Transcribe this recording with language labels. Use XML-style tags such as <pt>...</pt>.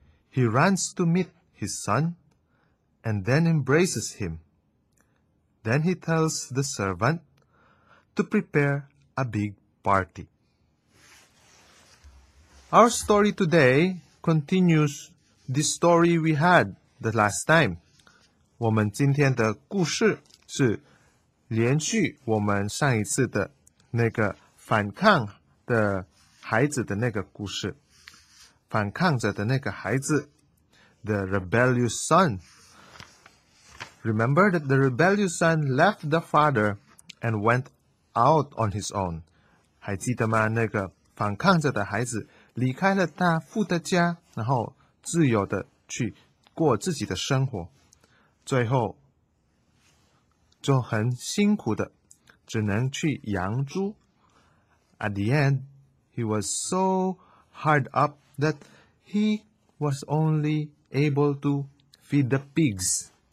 <en>He runs to meet his son and then embraces him. Then he tells the servant to prepare a big party. Our story today continues the story we had the last time.</en> <zh>我们今天的故事是连续我们上一次的那个反抗的孩子的那个故事。反抗者的那个孩子</zh> <en>The rebellious son. Remember that the rebellious son left the father and went out on his own.</en> <zh>还记得吗？那个反抗着的孩子离开了他父的家，然后自由的去过自己的生活，最后就很辛苦的，只能去养猪。</zh> <en>At the end, he was so hard up that he was only able to feed the pigs.</en>